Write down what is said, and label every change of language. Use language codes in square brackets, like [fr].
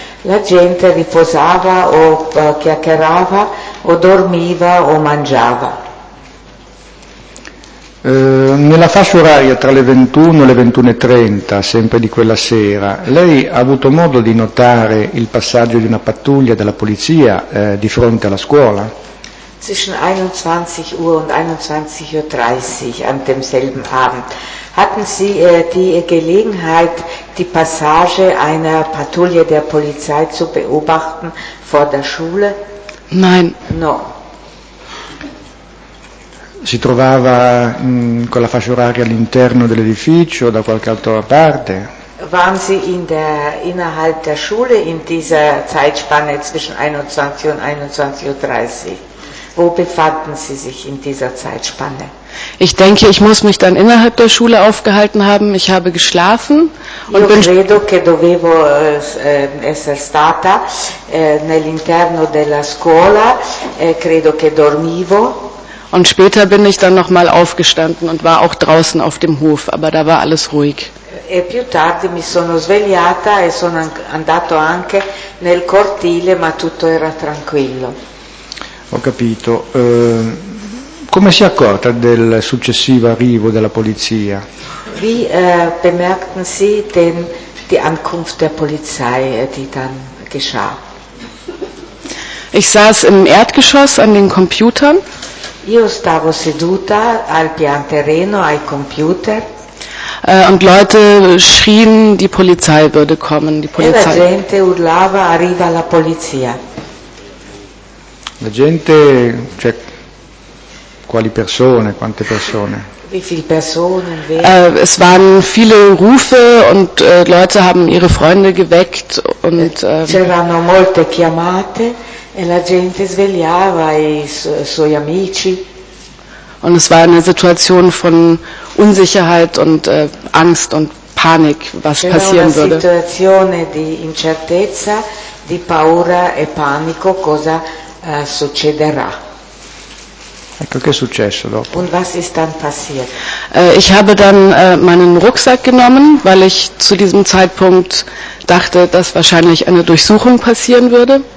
[it] La gente riposava o chiacchierava o dormiva o mangiava. Nella fascia oraria tra le 21 e le 21.30, sempre di quella sera, lei ha avuto modo di notare il passaggio di una pattuglia della polizia di fronte alla scuola? [de] Zwischen 21 Uhr und 21.30 Uhr an demselben Abend. Hatten Sie die Gelegenheit, die Passage einer Patrouille der Polizei zu beobachten vor der Schule? Nein. [it] No. Si trovava con la fascia oraria all'interno dell'edificio, da qualche altra parte? [de] Waren Sie innerhalb der Schule in dieser Zeitspanne zwischen 21 und 21.30 Uhr? Wo befanden Sie sich in dieser Zeitspanne? Ich denke, ich muss mich dann innerhalb der Schule aufgehalten haben. Ich habe geschlafen. [it] Und io credo che dovevo essere stata nell'interno della scuola. Credo che dormivo. [de] Und später bin ich dann nochmal aufgestanden und war auch draußen auf dem Hof. Aber da war alles ruhig. [it] E più tardi mi sono svegliata e sono andato anche nel cortile, ma tutto era tranquillo. Ho capito. Come si è accorta del successivo arrivo della polizia? [de] Wie bemerkten Sie denn die Ankunft der Polizei, die dann geschah? Ich saß im Erdgeschoss an den Computern. [it] Io stavo seduta al pian terreno ai computer. [de] Und Leute schrien, die Polizei würde kommen, die Polizei. [it] E la gente urlava, arriva la polizia. La gente, cioè, quali persone, quante persone? [de] Wie viele Personen, wer? Es waren viele Rufe und Leute haben ihre Freunde geweckt und [it] c'erano molte chiamate e la gente svegliava i suoi amici. [de] Und es war eine Situation von Unsicherheit und Angst und Panik, was [it] c'era [de] passieren würde. [it] C'era una situazione di incertezza, di paura e panico, cosa succederà. Ecco, che è successo dopo? [de] Und was ist dann passiert? Ich habe dann meinen Rucksack genommen, weil ich zu diesem Zeitpunkt dachte, dass wahrscheinlich eine Durchsuchung passieren würde.